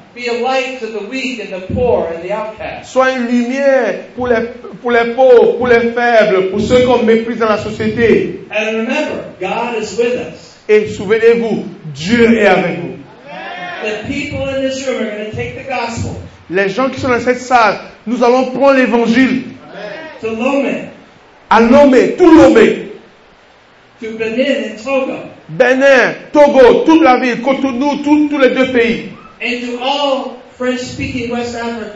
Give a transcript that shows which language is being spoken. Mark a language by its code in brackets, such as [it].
[en] Be a light to the weak and the poor and the outcast. [fr] Sois une lumière pour les pauvres, pour les faibles, pour ceux qu'on méprise dans la société. [en] And remember, God is with us. [fr] Et souvenez-vous, Dieu est avec vous. [en] The people in this room are going to take the gospel. [fr] Les gens qui sont dans cette salle, nous allons prendre l'évangile. [en] To Lomé. [fr] À Lomé, tout Lomé. [en] To Benin et Togo. [fr] Benin, Togo, toute la ville, Cotonou, tous les deux pays. [en] And to all French-speaking West Africa.